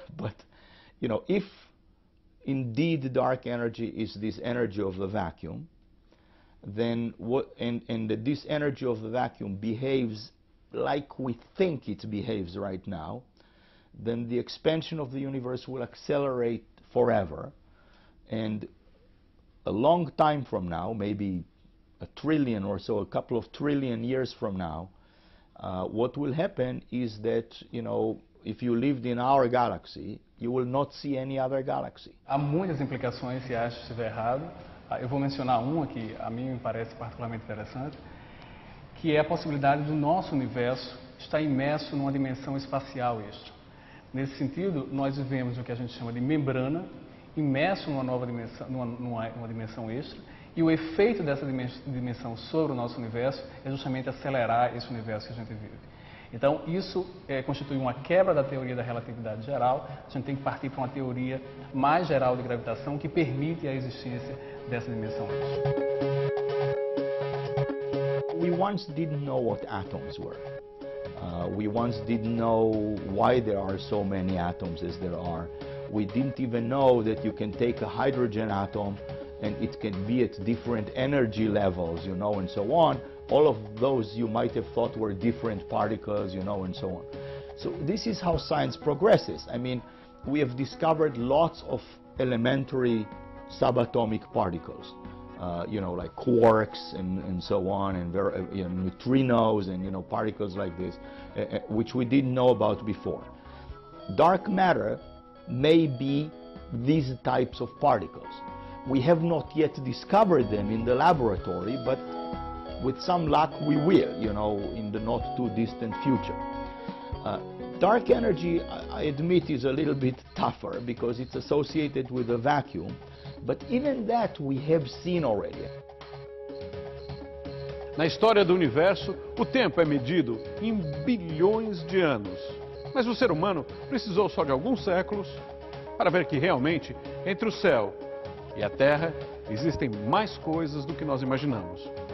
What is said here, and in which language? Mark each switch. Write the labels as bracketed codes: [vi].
[en] But, you know, if indeed dark energy is this energy of the vacuum, then what, and that this energy of the vacuum behaves like we think it behaves right now, then the expansion of the universe will accelerate forever, and a long time from now, maybe a trillion or so, a couple of trillion years from now, what will happen is that, you know, if you lived in our galaxy, you will not see any other galaxy. [pt] Há muitas implicações se acho que estiver errado. Eu vou mencionar uma que a mim me parece particularmente interessante, que é a possibilidade do nosso universo estar imerso numa dimensão espacial extra. Nesse sentido, nós vivemos o que a gente chama de membrana, imerso numa nova dimensão, numa dimensão extra, e o efeito dessa dimensão sobre o nosso universo é justamente acelerar esse universo que a gente vive. Então, isso constitui uma quebra da teoria da relatividade geral. A gente tem que partir para uma teoria mais geral de gravitação que permite a existência dessa dimensão extra. [en] We once didn't know what atoms were. We once didn't know why there are so many atoms as there are. We didn't even know that you can take a hydrogen atom and it can be at different energy levels, you know, and so on. All of those you might have thought were different particles, you know, and so on. So this is how science progresses. I mean, we have discovered lots of elementary subatomic particles, you know, like quarks and so on, and you know, neutrinos and, you know, particles like this, which we didn't know about before. Dark matter may be these types of particles. We have not yet discovered them in the laboratory, but with some luck we will, you know, in the not too distant future. Dark energy, I admit, is a little bit tougher because it's associated with a vacuum, but even that we have seen already. [pt] Na história do universo, o tempo é medido em bilhões de anos. Mas o ser humano precisou só de alguns séculos para ver que realmente, entre o céu e a Terra, existem mais coisas do que nós imaginamos.